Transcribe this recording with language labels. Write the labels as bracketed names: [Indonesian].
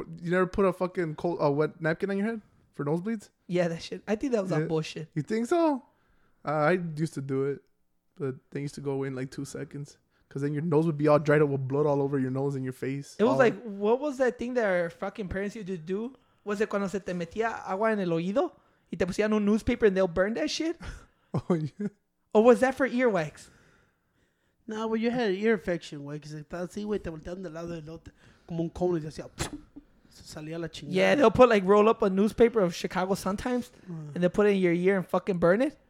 [English] You never put a fucking cold, wet napkin on your head for nosebleeds? Yeah, that shit. I think that was all bullshit. You think so? I used to do it. But they used to go away in like 2 seconds. Because then your nose would be all dried up with blood all over your nose and your face. It was like, what was that thing that our fucking parents used to do? Was it [Spanish] cuando se te metía agua en el oído? Y te pusían un [English] newspaper and they'll burn that shit? Oh, yeah. Or was that for earwax? Well, you had an ear infection, [Spanish] güey. [English] Because [Spanish] estaba así, güey, te volteando del lado del otro. Como un cone y decía, salía la chingada. [English] Yeah, they'll put like roll up a newspaper of Chicago Sun-Times and they'll put it in your ear and fucking burn it.